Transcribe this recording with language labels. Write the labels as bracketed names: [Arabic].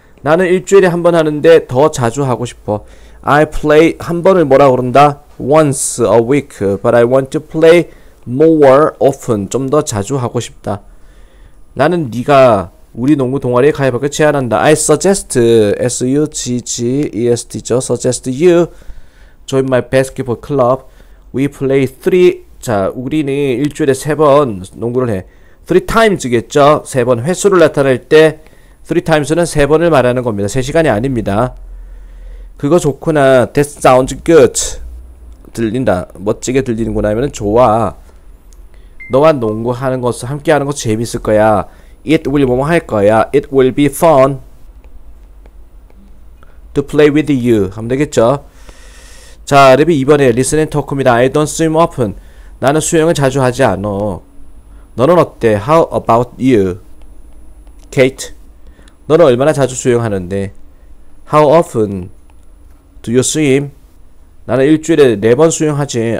[Korean] 나는 일주일에 한번 하는데 더 자주 하고 싶어. [English] I play [Korean] 한 번을 뭐라 그런다? [English] Once a week, but I want to play more often. [Korean] 좀더 자주 하고 싶다. 나는 네가 우리 농구 동아리에 가입하길 제안한다. [English] I suggest, suggest죠. Suggest you Join my basketball club. We play three. [Korean] 자, 우리는 일주일에 세번 농구를 해. Three times겠죠? 세번 횟수를 나타낼 때, three times는 세 번을 말하는 겁니다. 세 시간이 아닙니다. 그거 좋구나. [English] That sounds good. [Korean] 들린다. 멋지게 들리는구나 하면 좋아. 너와 농구하는 것, 함께하는 것 재밌을 거야. [English] It will [Korean] 뭐뭐 할 거야. [English] It will be fun to play with you. [Korean] 하면 되겠죠? 자, 레비 2번에 listen and talk입니다. [English] I don't swim often. [Korean] 나는 수영을 자주 하지 않어. 너는 어때? [English] How about you? Kate. [Korean] 너는 얼마나 자주 수영하는데? [English] How often do you swim? [Korean] 나는 일주일에 4번 수영하지.